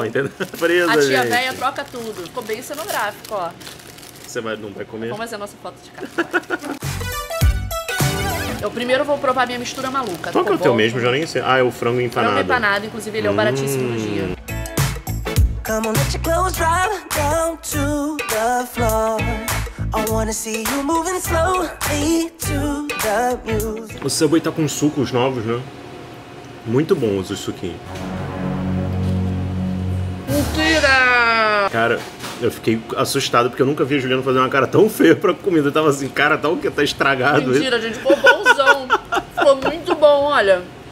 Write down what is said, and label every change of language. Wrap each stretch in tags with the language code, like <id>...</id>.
<pt>meu. Entendeu? Presa, a tia gente. Véia troca tudo. Ficou bem cenográfico, ó. Você vai, não vai comer? Vamos fazer a nossa foto de cara. Eu primeiro vou provar minha mistura maluca. Qual que é o teu mesmo? Já nem sei. Ah, é o frango empanado. Frango empanado, inclusive, ele é o baratíssimo do dia.</pt> <en>Come on, let your clothes drop down to the floor. I wanna see you moving slowly to the music.</en> <pt>O Subway tá com sucos novos, né? Muito bons os suquinhos. Mentira! Cara, eu fiquei assustado porque eu nunca vi a Juliana fazer uma cara tão feia pra comida. Eu tava assim, cara, tá o quê? Tá estragado. Mentira, gente, ficou bonzão. Ficou muito bom, olha.</pt>